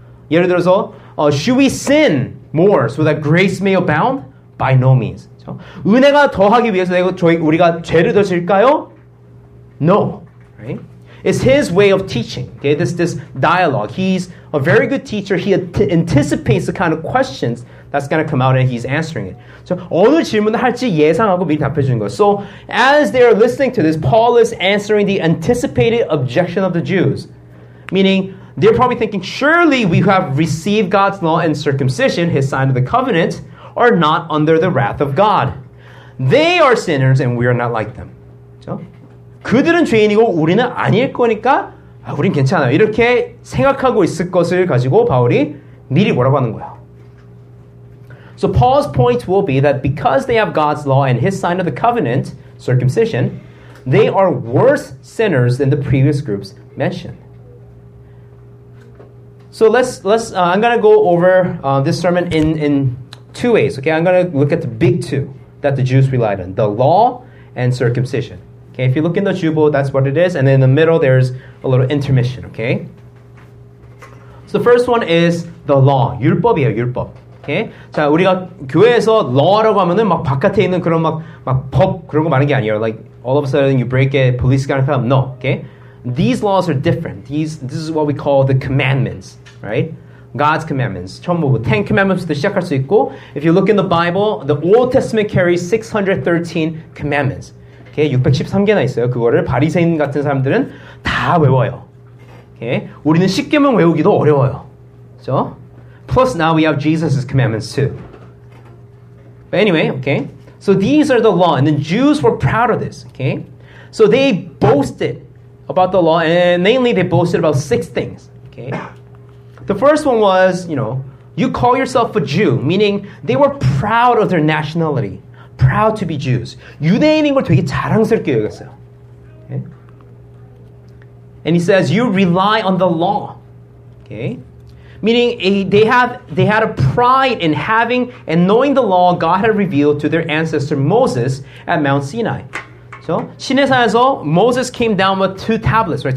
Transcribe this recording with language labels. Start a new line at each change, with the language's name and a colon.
Korean: 예를 들어서
English: should we sin more so that grace may abound? By no means.
Korean: 그렇죠? 은혜가 더하기 위해서 우리가 죄를 더 질까요?
English: No, right? It's his way of teaching, okay? This dialogue. He's a very good teacher. He anticipates the kind of questions that's going to come out, and he's answering it.
Korean: So 어느 질문을 할지 예상하고 미리 답해 주는 거.
English: So as they are listening to this, Paul is answering the anticipated objection of the Jews, meaning they're probably thinking, surely we who have received God's law and circumcision, his sign of the covenant, are not under the wrath of God. They are sinners, and we are not like them. So.
Korean: 그들은 죄인이고 우리는 아닐 거니까 아, 우린 괜찮아요. 이렇게 생각하고 있을 것을 가지고 바울이 미리 뭐라고 하는 거야.
English: So Paul's point will be that because they have God's law and his sign of the covenant, circumcision, they are worse sinners than the previous groups mentioned. So I'm going to go over this sermon in two ways. Okay, I'm going to look at the big two that the Jews relied on, the law and circumcision. Okay, if you look in the jubo, that's what it is. And then in the middle, there's a little intermission, okay? So the first one is the law.
Korean: 율법이에요, 율법.
English: Okay?
Korean: 자, 우리가 교회에서 law라고 하면은 막 바깥에 있는 그런 막 법 그런 거 많은 게 아니에요.
English: Like, all of a sudden you break it, police gonna come. No, okay? These laws are different. This is what we call the commandments, right? God's commandments.
Korean: 처음부터 Ten Commandments부터 시작할 수 있고,
English: if you look in the Bible, the Old Testament carries 613 commandments.
Korean: Okay, 613개나 있어요. 그거를 바리새인 같은 사람들은 다 외워요.
English: Okay,
Korean: 우리는 10개명 외우기도 어려워요.
English: So, plus now we have Jesus' commandments too. But anyway, okay, so these are the law, and the Jews were proud of this, okay? So they boasted about the law, and mainly they boasted about six things, okay? The first one was, you know, you call yourself a Jew, meaning they were proud of their nationality, proud to be Jews.
Korean: 유대인인 걸 되게 자랑스럽게 여겼어요.
English: Okay? And he says, you rely on the law, okay? Meaning, they had a pride in having and knowing the law God had revealed to their ancestor Moses at Mount Sinai. So, 시내산에서 Moses came down with two tablets, right?